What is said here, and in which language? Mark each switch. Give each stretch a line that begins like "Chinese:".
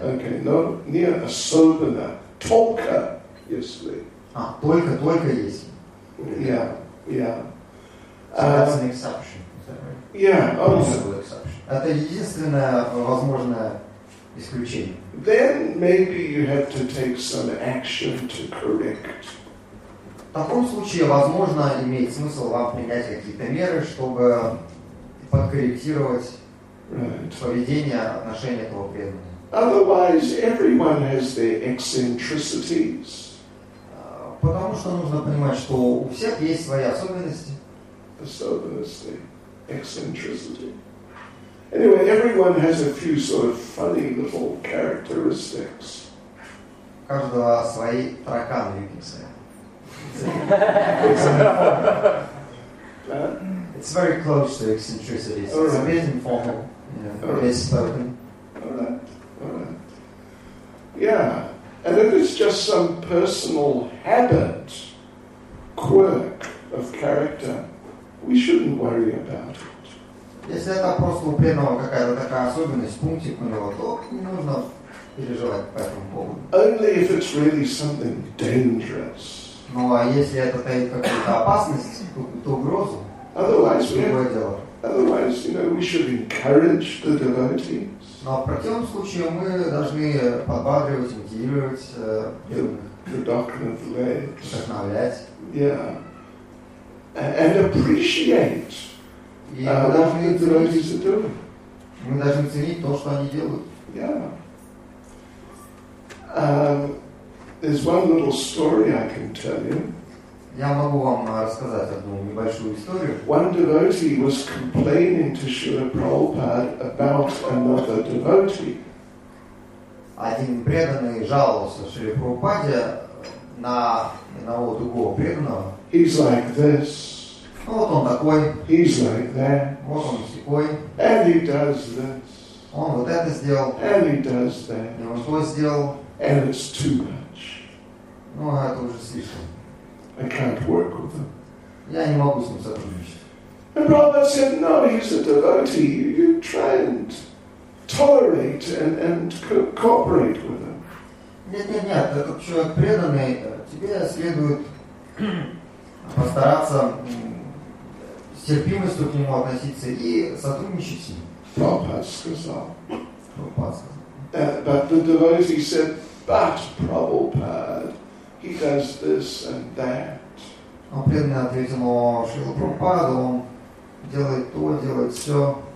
English: Okay, no, near a sovereign,
Russian: только если. А, только-только если.
English: Yeah, yeah. So that's an exception, is that right? Yeah, also.
Russian: Это единственное возможное исключение.
English: Then maybe you have to take some action to correct.
Russian: В таком случае, возможно, имеет смысл вам принять какие-то меры, чтобы подкорректировать поведение, отношение этого преданного.
English: Otherwise, everyone has their eccentricities.
Russian: Потому что нужно понимать, что у всех есть свои особенности.
English: Особенности, eccentricity. Anyway, everyone has a few sort of funny little characteristics.
Russian: У каждого свои тараканы,
English: you can say. It's very close to eccentricity. So it's a bit informal, you know, less spoken. All right. Yeah. And if it's just some personal habit, quirk of character, we shouldn't worry about it.
Russian: Если это просто у преданного какая-то такая особенность, пунктик у него, то не нужно переживать по этому поводу.
English: Only if it's really something dangerous.
Russian: Ну а если это таит какую-то опасность, какую-то угрозу,
English: otherwise,
Russian: то другое дело.
English: Otherwise, you know, we should encourage the devotees.
Russian: Но в противном случае мы должны подбадривать, мотивировать, вдохновлять.
English: Yeah. And appreciate.
Russian: И мы должны
English: the devotees are doing.
Russian: Мы должны ценить то, что они делают.
English: Yeah. There's one little story I can tell you.
Russian: Я могу вам рассказать одну небольшую историю.
English: One devotee was complaining to Srila Prabhupada about another devotee.
Russian: Один преданный жаловался Шри Прабхупаде на одного другого преданного.
English: He's like this.
Russian: Ну, вот он такой.
English: He's like that.
Russian: Вот он такой.
English: And he does this.
Russian: Он вот это сделал.
English: And he does that.
Russian: И он что сделал.
English: And it's too much.
Russian: Ну, а это уже слишком.
English: I can't work with him.
Russian: Я не могу с ним сотрудничать.
English: And Prabhupada said, no, he's a devotee. You try and tolerate and cooperate with him.
Russian: Нет, этот человек преданный, тебе следует постараться с терпимостью к нему относиться и сотрудничать с ним. Прабхупада сказал.
English: But the devotee said, but Prabhupada, he does this and that.
Russian: Он преданный ответил, о, Шрила Прабхупада, он делает то, делает все.